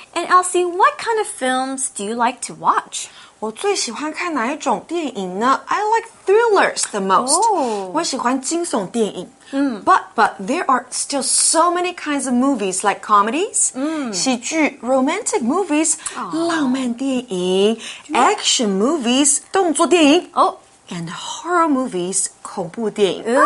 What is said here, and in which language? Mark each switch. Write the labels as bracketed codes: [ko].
[en] And Elsie, what kind of films do you like to watch? [zh] 我最喜欢看哪一种电影呢? [en] I like thrillers the most. Oh. [zh] 我喜欢惊悚电影。 [en] But there are still so many kinds of movies like comedies, [zh] 喜剧, [en] romantic movies, [zh] 浪漫电影, [en] action movies, [zh] 动作电影, [en] and horror movies, [zh] 恐怖电影。